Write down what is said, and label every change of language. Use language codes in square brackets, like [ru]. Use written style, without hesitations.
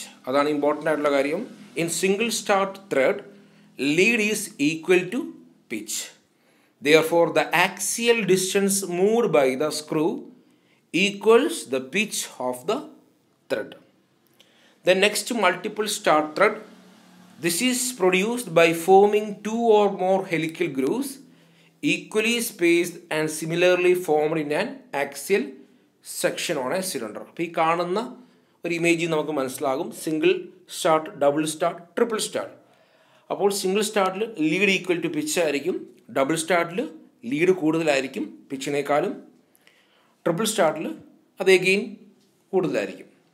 [ml] അതാണ് ഇമ്പോർട്ടൻ്റ് ആയിട്ടുള്ള കാര്യം. [en] In single start thread, lead is equal to pitch. Therefore the axial distance moved by the screw equals the pitch of the thread. Then next, multiple start thread. This is produced by forming two or more helical grooves equally spaced and similarly formed in an axial section on a cylinder. [ml] ഈ കാണുന്ന ഒരു image നമുക്ക് മനസ്സിലാകും. Single start, double start, triple start. അപ്പോൾ single സ്റ്റാർട്ടിൽ lead equal to pitch ആയിരിക്കും, double സ്റ്റാർട്ടിൽ lead കൂടുതലായിരിക്കും പിച്ചിനേക്കാളും, triple സ്റ്റാർട്ടിൽ അത് again കൂടുതലായിരിക്കും.